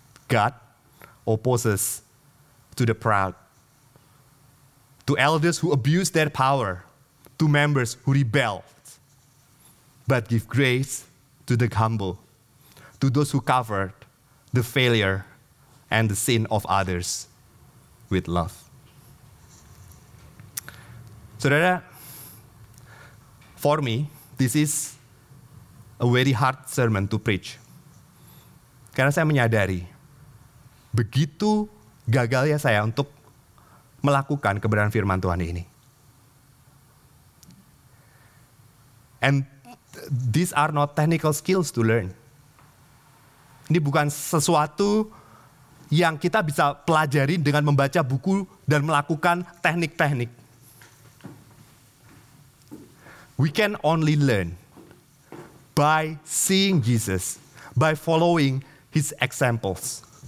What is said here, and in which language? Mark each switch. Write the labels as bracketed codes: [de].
[en] God opposes to the proud, to elders who abuse their power, to members who rebel, but give grace to the humble, to those who cover the failure and the sin of others with love. Saudara, for me, this is a very hard sermon to preach. [id] Karena saya menyadari, begitu gagalnya saya untuk melakukan kebenaran firman Tuhan ini. [en] And these are not technical skills to learn. [id] Ini bukan sesuatu yang kita bisa pelajari dengan membaca buku dan melakukan teknik-teknik. [en] We can only learn by seeing Jesus, by following his examples.